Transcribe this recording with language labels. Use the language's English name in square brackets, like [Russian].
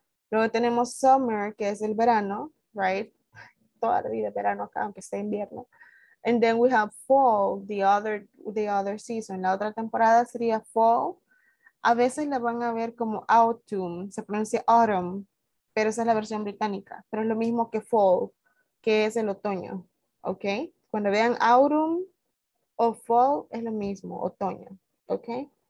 [Spanish] Luego tenemos summer, que es el verano, [English] right? [Spanish] Toda la vida verano acá, aunque sea invierno. [English] And then we have fall, the other season. [Spanish] La otra temporada sería fall. A veces la van a ver como autumn, se pronuncia autumn, pero esa es la versión británica. Pero es lo mismo que fall, que es el otoño, ¿ok? Cuando vean autumn o fall, es lo mismo, otoño, ¿ok?